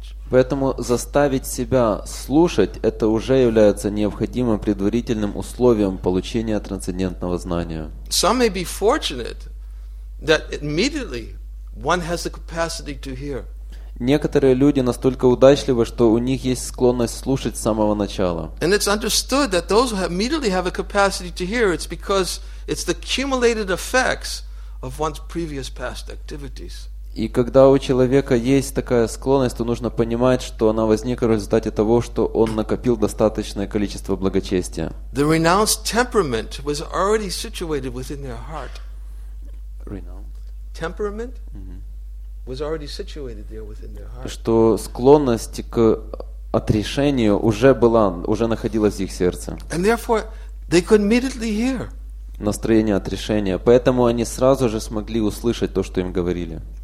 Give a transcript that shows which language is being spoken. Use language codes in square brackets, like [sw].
[ru] Поэтому заставить себя слушать – это уже является необходимым предварительным условием получения трансцендентного знания. [en] Some may be fortunate that immediately one has the capacity to hear. [ru] Некоторые люди настолько удачливы, что у них есть склонность слушать с самого начала. [en] And it's understood that those who immediately have a capacity to hear, it's because it's the accumulated effects of one's previous past activities. [ru] И когда у человека есть такая склонность, то нужно понимать, что она возникла в результате того, что он накопил достаточное количество благочестия. [en] The renounced temperament was already situated within their heart. Temperament was already situated there within their heart. [ru] Что склонность к отрешению уже была, уже находилась в их сердце. [en] And therefore, they could immediately hear. [ru] Настроение отрешения. Поэтому они сразу же смогли услышать то, что им говорили.